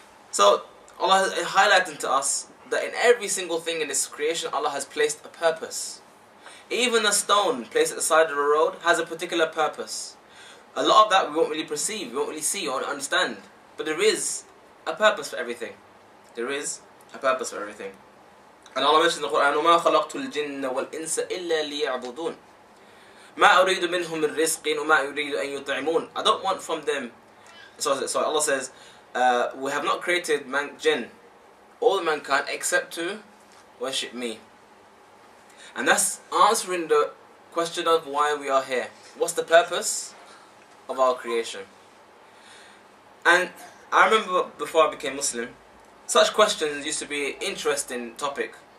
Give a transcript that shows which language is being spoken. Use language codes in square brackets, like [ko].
[en] So Allah is highlighting to us that in every single thing in this creation, Allah has placed a purpose. Even a stone placed at the side of the road has a particular purpose. A lot of that we won't really perceive, we won't really see or understand. But there is a purpose for everything. There is a purpose for everything. And Allah mentions in the Quran, [ar] وَمَا خَلَقْتُ الْجِنَّ وَالْإِنسَ إِلَّا لِيَعْبُدُونَ مَا أُرِيدُ مِنْهُمْ الرِّزْقِينَ وَمَا أُرِيدُ أَن يُطْعِمُونَ. [en] I don't want from them... Sorry, Allah says, we have not created jinn, all mankind, except to worship me. And that's answering the question of why we are here. What's the purpose of our creation? And I remember before I became Muslim, such questions used to be an interesting topic.